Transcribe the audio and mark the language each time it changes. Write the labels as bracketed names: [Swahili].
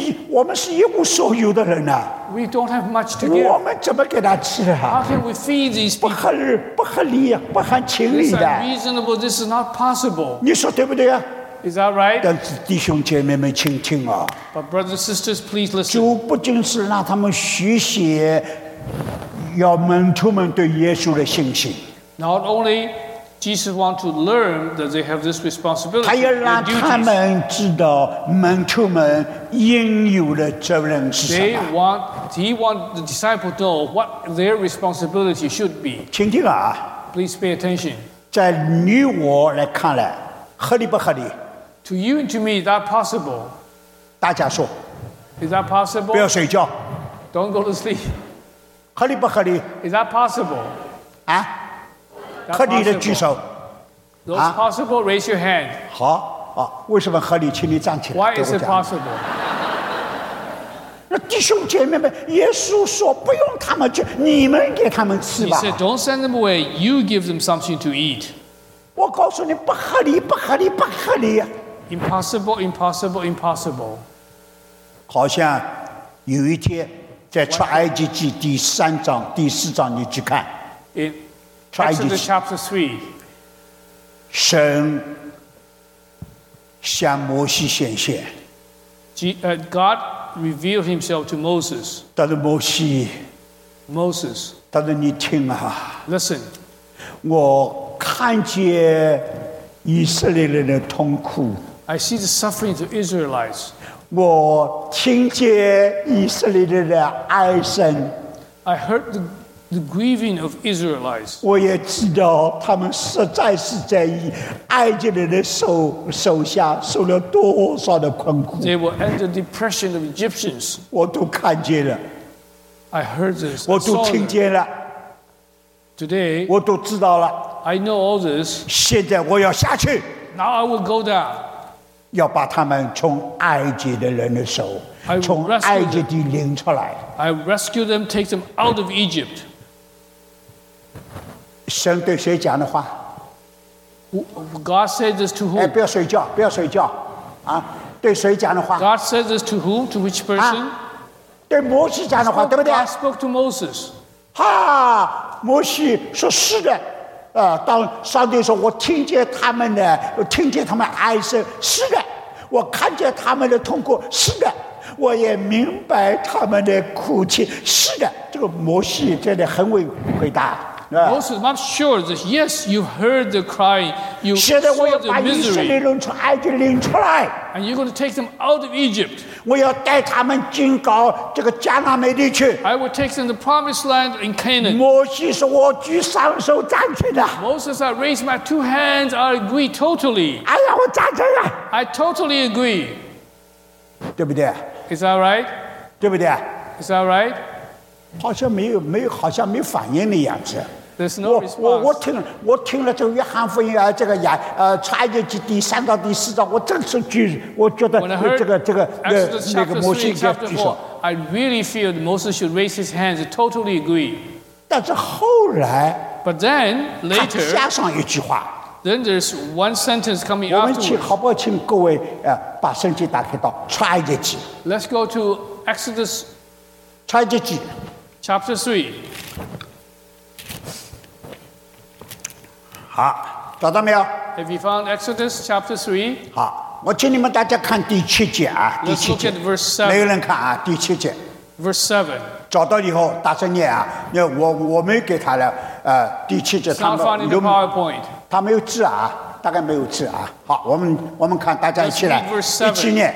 [Chinese] 我们是一无所有的人啊。 [English] We don't have much to give. [Chinese] 我们怎么给他吃啊 [English] ？How can we feed these people? [Chinese] 不合理，不合情理的。 [English] This is unreasonable. This is not possible. [Chinese] 你说对不对啊？ [English] Is that right? [Chinese] 但是弟兄姐妹们，请听啊！ [English] But brothers and sisters, please listen. [Chinese] 主不仅是让他们学习，要门徒们对耶稣的信心。 [English] Not only Jesus wants to learn that they have this responsibility. [Chinese] 他要让他们知道门徒们应有的责任是什么。 [English] He wants the disciple to know what their responsibility should be. [Chinese] 请听啊！ [English] Please pay attention. [Chinese] 在你我来看来，合理不合理？ [English] To you and to me, is that possible? [Chinese] 大家说 [English] Is that possible? [Chinese] 不要睡觉 [English] Don't go to sleep. [Chinese] 合理不合理 [English] Is that possible? [Chinese] 啊合理的举手 [English] Those possible, raise your hand. [Chinese] 好啊为什么合理请你站起来 [English] Why is it possible? [Chinese] 那弟兄姐妹们耶稣说不用他们去你们给他们吃吧 [English] He said, don't send them away. You give them something to eat. [Chinese] 我告诉你不合理，不合理，不合理。 [English] Impossible, impossible, impossible. [Chinese] 好像有一天在出埃及记第三章、第四章，你去看。 [English] 出埃及记 chapter three. [Chinese] 神向摩西显现。 [English] God revealed himself to Moses. [Chinese] 但是摩西。 [English] Moses. [Chinese] 但是你听啊。 [English] Listen. [Chinese] 我。看见以色列人的痛苦 [English] I see the suffering of Israelites [Chinese] 我听见以色列人的哀声 [English] I heard the grieving of Israelites [Chinese] 我也知道他们实在是在以埃及人的 手下受了多少的困苦 [English] They were under the depression of Egyptians [Chinese] 我都看见了 [English] I heard this [Chinese] 我都听见了 [English] Today [Chinese] 我都知道了 [English] I know all this. [Chinese] 现在我要下去。 [English] Now I will go down. [Chinese] 要把他们从埃及的人的手，从埃及地领出来。 [English] I rescue them, take them out of Egypt. [Chinese] 神对谁讲的话 [English] ？God said this to whom? [Chinese] 哎，不要睡觉，不要睡觉，啊，对谁讲的话 [English] ？God said this to whom? To which person? 啊， [Chinese] 对摩西讲的话，对不对 [English] ？God spoke to Moses. [Chinese] 哈，摩西说是的。当上帝说我听见他们的我听见他们哀声是的我看见他们的痛苦是的我也明白他们的苦气是的这个摩西真的很会回答 [English] Moses, I'm not sure that yes, you heard the cry you saw the misery [Chinese] 现在我要把以色列人从埃及领出来 [English] and you're going to take them out of Egypt [Chinese] 我要带他们进到这个迦南美地去 [English] I will take them to the promised land in Canaan [Chinese] 摩西说我举双手赞成的 [English] Moses, I raised my two hands, I agree totally [Chinese] 哎呀我赞成了 [English] I totally agree [Chinese] 对不对 [English] Is that right? [Chinese] 对不对 [English] Is that right? [Chinese] 好像没有，好像没反应的样子。 [English] There's no [Chinese] 我听了这个约翰福音啊，这个亚出埃及记第三章第四章，我真是举，我觉得 [English] When I heard [Chinese] 这个摩西应该举手。 [English] I really feel Moses should raise his hands. Totally agree. [Chinese] 但是后来 [English] ，But then later， [Chinese] 加上一句话。 [English] Then there's one sentence coming out. [Chinese] 我们请好不好？请各位把圣经打开到出埃及记。 [English] Let's go to Exodus. [Chinese] 出埃及记 [English] Chapter 3. [Chinese] 好，找到没有 [English] ？Have you found Exodus chapter 3? [Chinese] 好，我请你们大家看第七节啊，第七节。 [English] Let's look at verse 7. [Chinese] 没有人看啊，第七节。 [English] Verse 7. [Chinese] 找到以后大声念啊，那我没给他了，第七节他们有。 [English] It's not found in the PowerPoint. [Chinese] 他没有字啊。大概没有字啊。好，我们看，大家一起来，一起念。